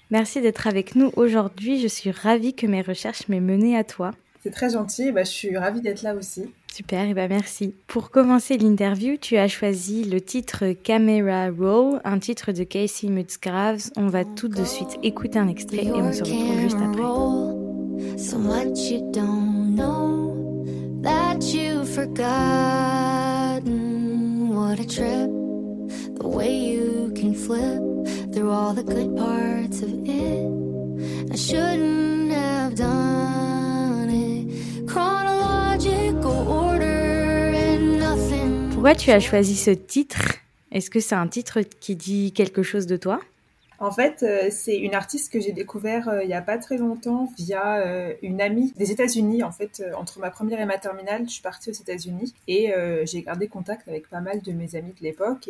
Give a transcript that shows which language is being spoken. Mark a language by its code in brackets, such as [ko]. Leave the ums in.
[fr] Merci d'être avec nous aujourd'hui. Je suis ravie que mes recherches m'aient menée à toi. C'est très gentil. Bah, je suis ravie d'être là aussi. Super, et ben merci. Pour commencer l'interview, tu as choisi le titre Camera Roll, un titre de Casey Musgraves. On va tout de suite écouter un extrait et on se retrouve juste après. [en] So much you don't know that you've forgotten. What a trip, the way you can flip through all the good parts of it. I shouldn't have done it. Chronological order and nothing. [fr] Pourquoi tu as choisi ce titre Est-ce que c'est un titre qui dit quelque chose de toi en fait, c'est une artiste que j'ai découvert euh, il n'y a pas très longtemps via euh, une amie des États-Unis. En fait, euh, entre ma première et ma terminale, je suis partie aux États-Unis et j'ai gardé contact avec pas mal de mes amis de l'époque.